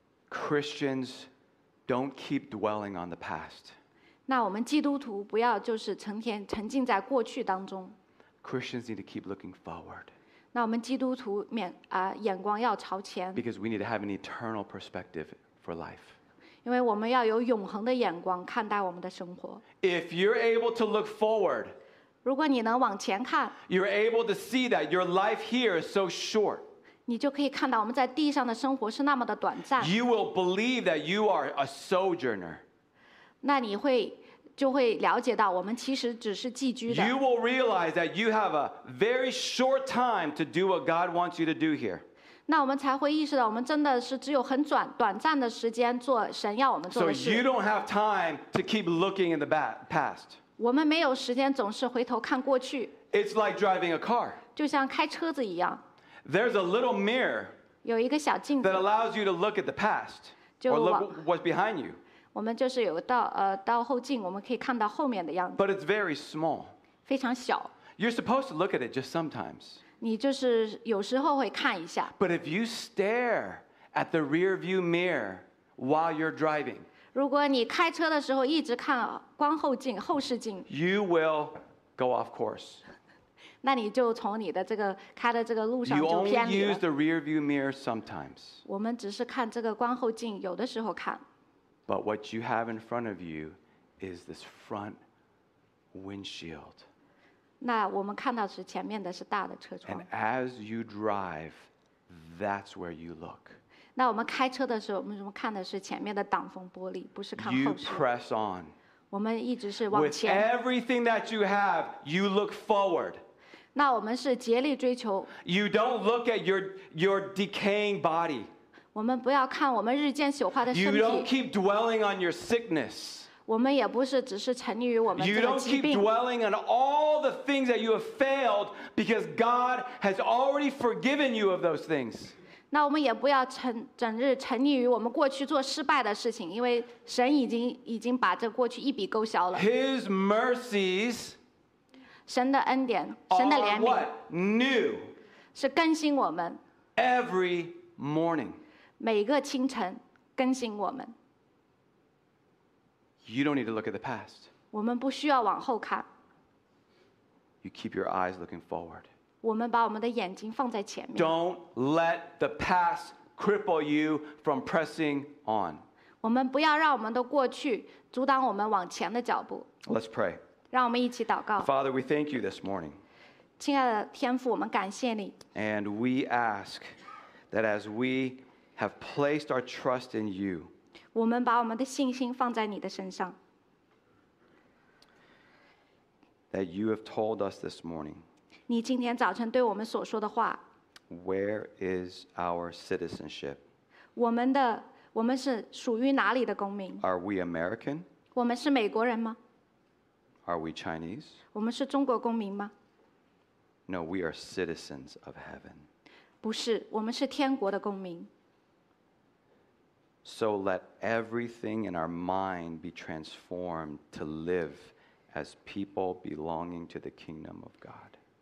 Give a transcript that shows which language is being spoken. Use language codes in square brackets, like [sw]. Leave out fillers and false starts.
[en] Christians don't keep dwelling on the past. [zh] 那我们基督徒不要就是成天沉浸在过去当中。 [en] Christians need to keep looking forward. [zh] 那我们基督徒眼光要朝前。 [en] Because we need to have an eternal perspective for life. [zh] 因为我们要有永恒的眼光看待我们的生活。 [en] If you're able to look forward, [zh] 如果你能往前看， [en] you're able to see that your life here is so short. [zh] 你就可以看到我们在地上的生活是那么的短暂。 [en] You will believe that you are a sojourner. [zh] 那你会就会了解到我们其实只是寄居的。 [en] You will realize that you have a very short time to do what God wants you to do here. [zh] 那我们才会意识到我们真的是只有很短暂的时间做神要我们做的事。 [en] So you don't have time to keep looking in the past. [zh] 我们没有时间总是回头看过去。 [en] It's like driving a car. [zh] 就像开车子一样。 [en] There's a little mirror [zh] 有一个小镜子 [en] that allows you to look at the past or look what's behind you. [zh] 我们就是有道道后镜，我们可以看到后面的样子。 [en] But it's very small. [zh] 非常小。 [en] You're supposed to look at it just sometimes. [zh] 你就是有时候会看一下。 [en] But if you stare at the rearview mirror while you're driving, [zh] 如果你开车的时候一直看光后镜、后视镜， [en] you will go off course. [zh] 那你就从你的这个开的这个路上就偏离了。 [en] You only use the rearview mirror sometimes. [zh] 我们只是看这个光后镜，有的时候看。 [en] But what you have in front of you is this front windshield. [zh] 那我们看到是前面的是大的车窗。 [en] And as you drive, that's where you look. [zh] 那我们开车的时候，我们看的是前面的挡风玻璃，不是看后视。 [en] You press on. [zh] 我们一直是往前。 [en] With everything that you have, you look forward. [zh] 那我们是竭力追求。 [en] You don't look at your decaying body. [zh] 我们不要看我们日渐朽化的身体。 [en] You don't keep dwelling on your sickness. [zh] 我们也不是只是沉溺于我们这个疾病。 [en] You don't keep dwelling on all the things that you have failed because God has already forgiven you of those things. [zh] 那我们也不要整日沉溺于我们过去做失败的事情，因为神已经把这过去一笔勾销了。 [en] His mercies. [zh] 神的恩典，神的怜悯 [en] what? New. [zh] 是更新我们 [en] Every morning. [zh] 每个清晨更新我们 [en] You don't need to look at the past. [zh] 我们不需要往后看 [en] You keep your eyes looking forward. [zh] 我们把我们的眼睛放在前面 [en] Don't let the past cripple you from pressing on. [zh] 我们不要让我们的过去阻挡我们往前的脚步 [en] Let's pray. [zh] 让我们一起祷告。 [en] Father, we thank you this morning. [zh] 亲爱的天父，我们感谢你。 [en] And we ask that as we have placed our trust in you, [zh] 我们把我们的信心放在你的身上。 [en] That you have told us this morning. [zh] 你今天早晨对我们所说的话。 [en] Where is our citizenship? [zh] 我们是属于哪里的公民？ [en] Are we American? [zh] 我们是美国人吗？ [en] Are we Chinese? [zh] 我们是中国公民吗？ [en] No, we are citizens of heaven. [zh] 不是，我们是天国的公民。 [en] So let everything in our mind be transformed to live as people belonging to the kingdom of God.